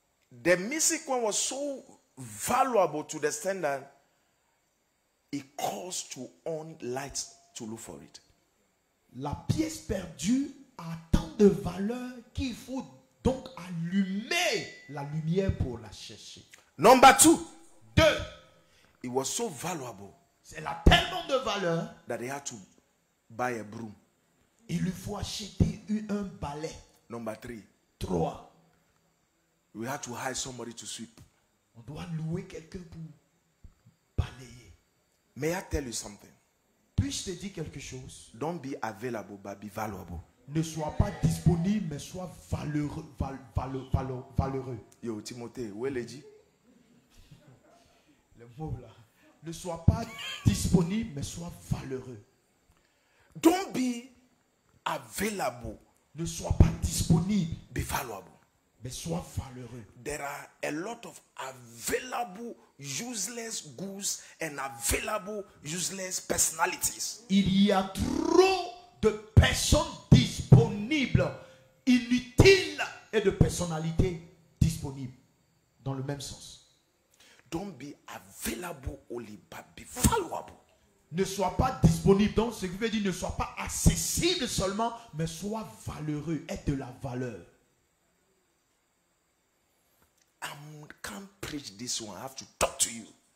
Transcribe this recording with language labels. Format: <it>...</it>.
<en>The missing coin was so valuable to the sender, it caused to own lights to look for it.</en> <fr>La pièce perdue a tant de valeur qu'il faut donc allumer la lumière pour la chercher.</fr> <en>Number two.</en> <fr>Deux.</fr> <en>It was so valuable.</en> <fr>Elle a tellement de valeur</fr> <en>that they had to buy a broom.</en> <fr>Il lui faut acheter un balai.</fr> <en>Number three.</en> <fr>Trois.</fr> <en>We had to hire somebody to sweep.</en> <fr>On doit louer quelqu'un pour balayer.</fr> <en>May I tell you something?</en> <fr>Puis-je te dire quelque chose?</fr> <en>Don't be available, but be valuable.</en> <fr>Ne sois pas disponible, mais sois valeureux. Yo, Timothée, où est Lady? Le mot là. Ne sois pas disponible, mais sois valeureux.</fr> <en>Don't be available.</en> <fr>Ne sois pas disponible.</fr> <en>Be valuable.</en> <fr>Mais sois valeureux.</fr> <en>There are a lot of available useless goods and available useless personalities.</en> <fr>Il y a trop de personnes disponibles, inutiles et de personnalités disponibles dans le même sens.</fr> <en>Don't be available only, but be valuable.</en> <fr>Ne sois pas disponible, donc ce qui veut dire ne sois pas accessible seulement, mais sois valeureux, aie de la valeur.</fr> <en>I can't preach this one. I have to talk to you.</en>